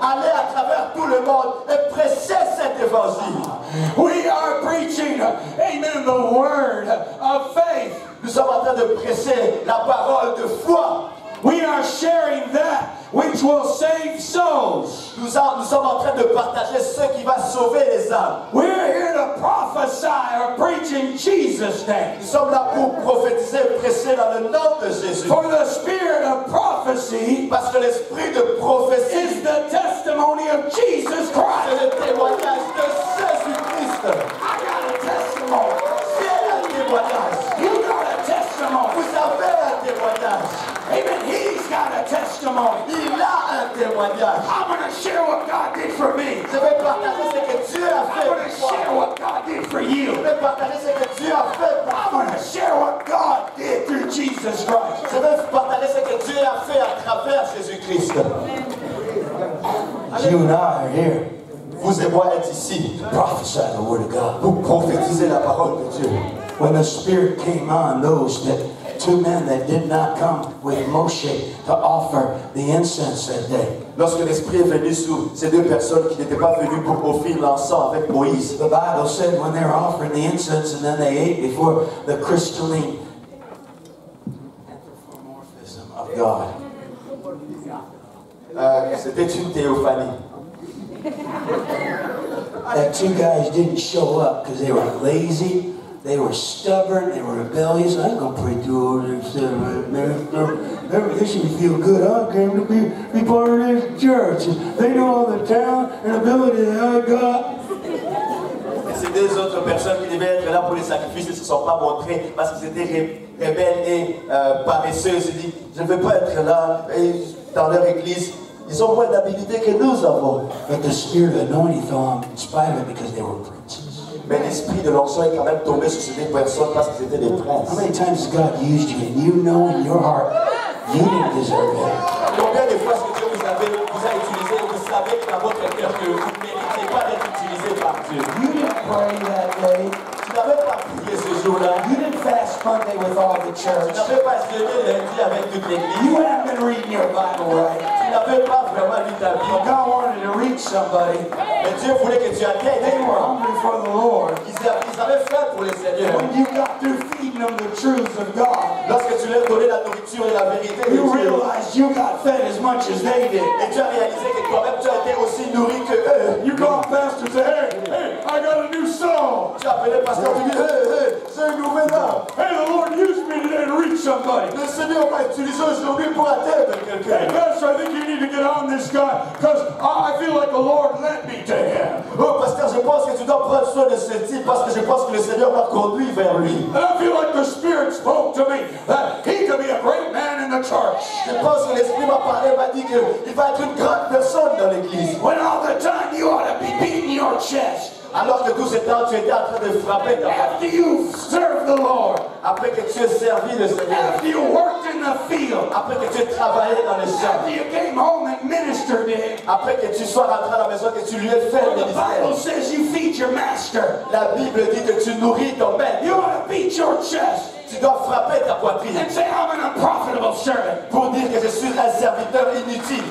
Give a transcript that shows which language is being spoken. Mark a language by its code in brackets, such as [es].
[fr] Allez à travers tout le monde et prêchez cet évangile. [en] We are preaching, amen, the word of faith. [fr] Nous sommes en train de prêcher la parole de foi. [en] We are sharing that which will save souls. [fr] Nous sommes en train de partager ce qui va sauver les âmes. [en] We're here to prophesy or preach in Jesus' name. [fr] Nous sommes là pour prophétiser, prêcher dans le nom de Jésus. [en] For the spirit of prophecy, [fr] parce que l'esprit de prophétie, [en] is the testimony of Jesus Christ. [fr] C'est le témoignage de Jésus Christ. [en] I got a testimony. [fr] C'est le témoignage. [en] You got a testimony. [fr] Vous avez un témoignage. [en] Amen. He's got a testimony. [fr] Il a un témoignage. [en] I'm going to share what God did for me. [fr] Je vais partager ce que Dieu a fait pour moi. [en] I'm going to share what God did for you. [fr] Je vais partager ce que Dieu a fait pour moi. [en] I'm going to share what God did through Jesus Christ. [fr] Je vais partager ce que Dieu a fait à travers Jésus Christ. [en] You and I are here. [fr] Vous et moi êtes ici. [en] To prophesy the word of God. [fr] Pour prophétiser la parole de Dieu. [en] When the Spirit came on those that two men that did not come with Moshe to offer the incense that day. [fr] Lorsque l'esprit est venu sur ces deux personnes qui n'étaient pas venues pour offrir l'encens avec Moïse. [en] The Bible said when they were offering the incense and then they ate before the crystalline anthropomorphism of God. [fr] C'était une théophanie. [en] That two guys didn't show up because they were lazy. They were stubborn, they were rebellious. I ain't gonna pray to them. This should feel good, huh? Came to be part of this church. They know all the talent and ability that I got. [fr] Et ces deux autres personnes qui devaient être là pour les sacrifices ne se sont pas montrées parce qu'ils étaient rebelles et paresseux. Ils se disent, je ne veux pas être là dans leur église. Ils ont moins d'habilité que nous avons. [en] But the spirit of anointing fell on in spite of it because they were princes. [fr] Mais l'esprit de l'onction est quand même tombé sur ces personnes parce qu'ils étaient des princes. [en] How many times has God used you, and you know in your heart you didn't deserve it? [fr] Combien de fois que Dieu vous a utilisé, vous savez dans votre cœur que vous ne méritez pas d'être utilisé par Dieu. [en] You didn't pray that day. [fr] Tu n'avais pas prié ce jour-là. [en] You didn't fast Monday with all the church. [fr] Tu n'avais pas jeûné lundi avec toute l'église. [en] You haven't been reading your Bible right. [fr] Tu n'avais pas vraiment lu ta Bible. [en] God wanted to reach somebody. [fr] Mais Dieu voulait que tu atteignes. [en] They were hungry for the Lord. [fr] Ils avaient faim pour le Seigneur. [en] When you got through feeding them the truths of God, [fr] lorsque tu leur donnais la nourriture et la vérité, [en] you realized you got fed as much as they did. [fr] Et tu as réalisé que toi-même tu as été aussi nourri que eux. [en] You called pastors, hey, I got a new song. [fr] Tu as appelé pasteur, tu dis, hey, c'est une nouvelle là. [en] Hey, the Lord used me today to reach somebody. [fr] Le Seigneur m'a utilisé aujourd'hui pour atteindre quelqu'un. [en] Hey, pastor, I think you need to get on this guy, because I feel like the Lord led me. [fr] Oh, pasteur, je pense que tu dois prendre soin de ce type parce que je pense que le Seigneur m'a conduit vers lui. [en] I feel like the Spirit spoke to me that he could be a great man in the church. [fr] Je pense que l'Esprit m'a parlé, m'a dit qu'il va être une grande personne dans l'église. [en] When all the time you ought to be beating your chest. [fr] Alors que tout ce temps tu étais en train de frapper ta [en] after you served the Lord. [fr] Après que tu aies servi le Seigneur. [en] After you worked in the field. [fr] Après que tu aies travaillé dans les champs. [en] After you came home and ministered to him. [fr] Après que tu sois rentré à la maison que tu lui aies fait le ministère. [en] The Bible says you feed your master. [fr] La Bible dit que tu nourris ton maître. [en] You ought to beat your chest. [fr] Tu dois frapper ta poitrine. [en] And say I'm an unprofitable servant. [fr] Pour dire que je suis un serviteur inutile.